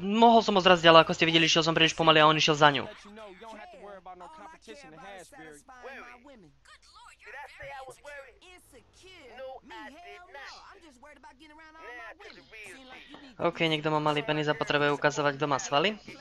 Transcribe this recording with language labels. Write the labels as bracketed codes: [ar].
[sk] Mohol som ho zraziť, ale ako ste videli, šiel som príliš pomaly a on išiel za ňu. Hey. [en] Did I say I was worried? Insecure? No, I did not. I'm just worried about getting around all my women. [sk] OK, niekto má malý penis a potrebuje ukazovať, kto má svaly.